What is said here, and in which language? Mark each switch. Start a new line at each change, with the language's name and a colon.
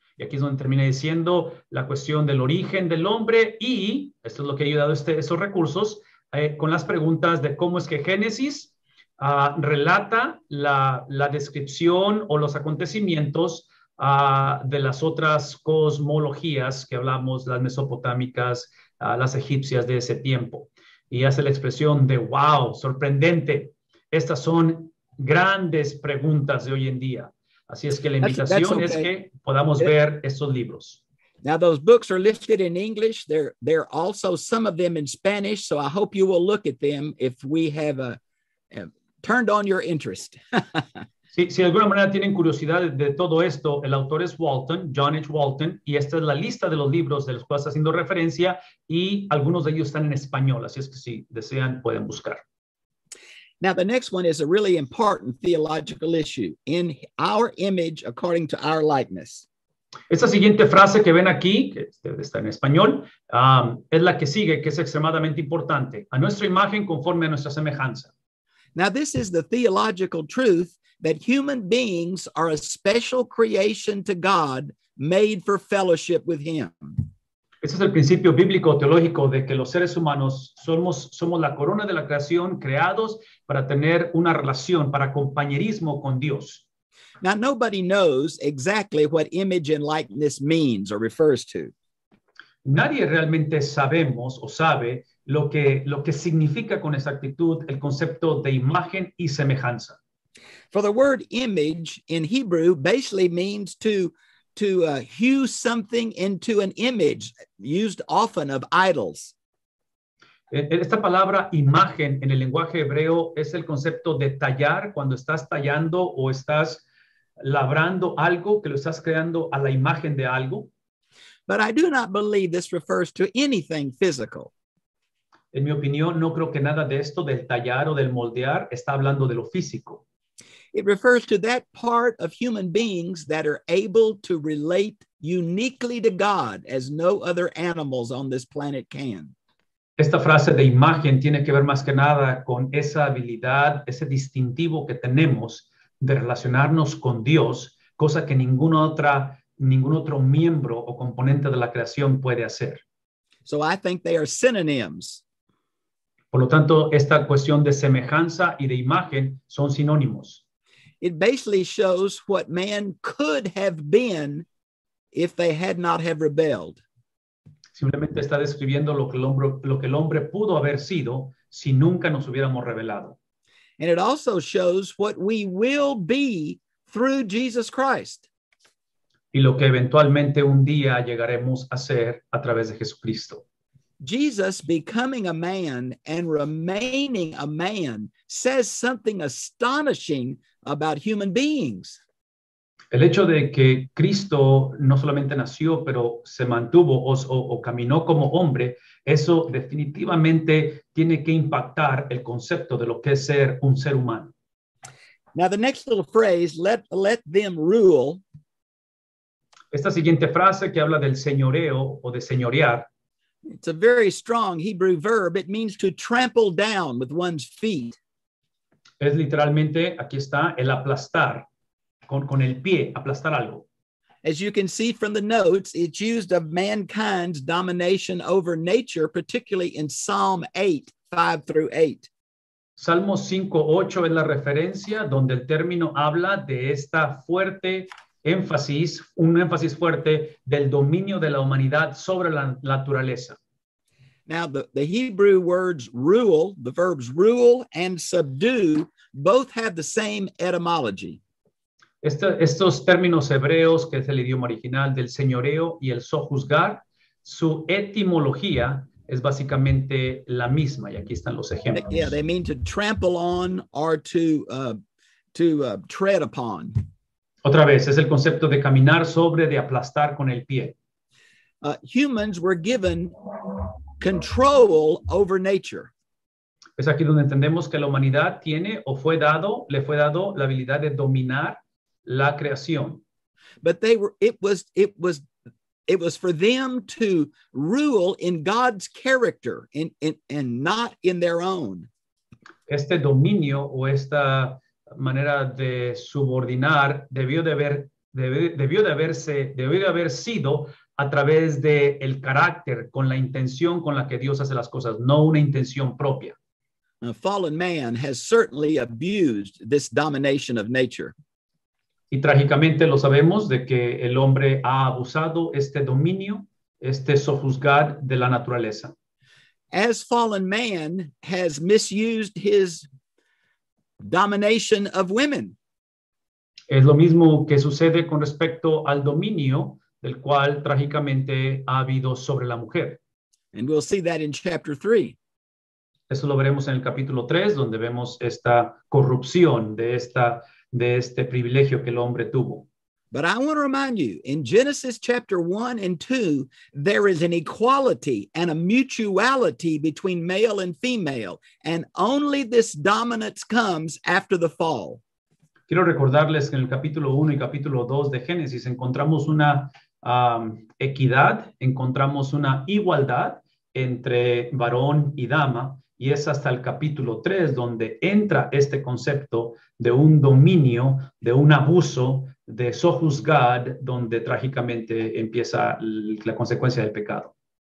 Spanish: Y aquí es donde termina diciendo la cuestión del origen del hombre y esto es lo que ha ayudado esos recursos con las preguntas de cómo es que Génesis relata la descripción o los acontecimientos de las otras cosmologías que hablamos, las mesopotámicas, las egipcias de ese tiempo. Y hace la expresión de wow, sorprendente. Estas son grandes preguntas de hoy en día. Así es que la invitación es que podamos ver estos libros.
English: Now those books are listed in English. They're also some of them in Spanish. So I hope you will look at them if we have turned on your interest.
Spanish: Si de alguna manera tienen curiosidad de todo esto, el autor es Walton, John H. Walton, y esta es la lista de los libros de los cuales está haciendo referencia y algunos de ellos están en español. Así es que si desean, pueden buscar.
English: Now, the next one is a really important theological issue. In our image, according to our likeness.
Spanish: Esta siguiente frase que ven aquí, que está en español, es la que sigue, que es extremadamente importante. A nuestra imagen conforme a nuestra semejanza.
English: Now, this is the theological truth that human beings are a special creation to God, made for fellowship with Him.
Spanish: Ese es el principio bíblico teológico de que los seres humanos somos la corona de la creación, creados para tener una relación, para compañerismo con Dios.
English: Now, nobody knows exactly what image and likeness means or refers to.
Spanish: Nadie realmente sabemos o sabe lo que significa con exactitud el concepto de imagen y semejanza.
English: For the word image in Hebrew basically means to hew something into an image, used often of idols.
Spanish: Esta palabra imagen en el lenguaje hebreo es el concepto de tallar, cuando estás tallando o estás labrando algo, que lo estás creando a la imagen de algo.
English: But I do not believe this refers to anything physical.
Spanish: En mi opinión, no creo que nada de esto, del tallar o del moldear, está hablando de lo físico.
English: It refers to that part of human beings that are able to relate uniquely to God as no other animals on this planet can.
Spanish: Esta frase de imagen tiene que ver más que nada con esa habilidad, ese distintivo que tenemos de relacionarnos con Dios, cosa que ninguna otra, ningún otro miembro o componente de la creación puede hacer.
English: So I think they are synonyms.
Spanish: Por lo tanto, esta cuestión de semejanza y de imagen son sinónimos.
English: It basically shows what man could have been if they had not have rebelled.
Spanish: Simplemente está describiendo lo que el hombre pudo haber sido si nunca nos hubiéramos rebelado.
English: And it also shows what we will be through Jesus Christ.
Spanish: Y lo que eventualmente un día llegaremos a ser a través de Jesucristo.
English: Jesus becoming a man and remaining a man says something astonishing about human beings.
Spanish: El hecho de que Cristo no solamente nació, pero se mantuvo o caminó como hombre, eso definitivamente tiene que impactar el concepto de lo que es ser un ser humano.
English: Now the next little phrase, let them rule.
Spanish: Esta siguiente frase que habla del señoreo o de señorear.
English: It's a very strong Hebrew verb. It means to trample down with one's feet.
Spanish: Es literalmente, aquí está, el aplastar. Con el pie, aplastar algo.
English: As you can see from the notes, it's used of mankind's domination over nature, particularly in Psalm 8, 5 through 8.
Spanish: Salmo 5, 8 es la referencia donde el término habla de esta fuerte énfasis, un énfasis fuerte del dominio de la humanidad sobre la naturaleza.
English: Now, the Hebrew words rule, the verbs rule and subdue, both have the same etymology.
Spanish: Estos términos hebreos, que es el idioma original del señoreo y el sojuzgar, su etimología es básicamente la misma. Y aquí están los ejemplos.
English: Yeah, they mean to trample on or to tread upon.
Spanish: Otra vez, es el concepto de caminar sobre, de aplastar con el pie.
English: Humans were given control over nature.
Spanish: Es aquí donde entendemos que la humanidad tiene o le fue dado la habilidad de dominar la creación.
English: But it was for them to rule in God's character and not in their own.
Spanish: Este dominio o esta manera de subordinar debió de haber sido a través de el carácter, con la intención con la que Dios hace las cosas, no una intención propia.
English: A fallen man has certainly abused this domination of nature.
Spanish: Y trágicamente lo sabemos de que el hombre ha abusado este dominio, este sojuzgar de la naturaleza.
English: As fallen man has misused his domination of women.
Spanish: Es lo mismo que sucede con respecto al dominio del cual trágicamente ha habido sobre la mujer.
English: And we'll see that in chapter 3.
Spanish: Eso lo veremos en el capítulo 3, donde vemos esta corrupción de este privilegio que el hombre tuvo.
English: But I want to remind you, in Genesis chapter 1 and 2, there is an equality and a mutuality between male and female, and only this dominance comes after the fall.
Spanish: Quiero recordarles que en el capítulo 1 y capítulo 2 de Génesis encontramos una equidad, encontramos una igualdad entre varón y dama. Y es hasta el capítulo 3 donde entra este concepto de un dominio, de un abuso, de sojuzgar, donde trágicamente empieza la consecuencia del pecado.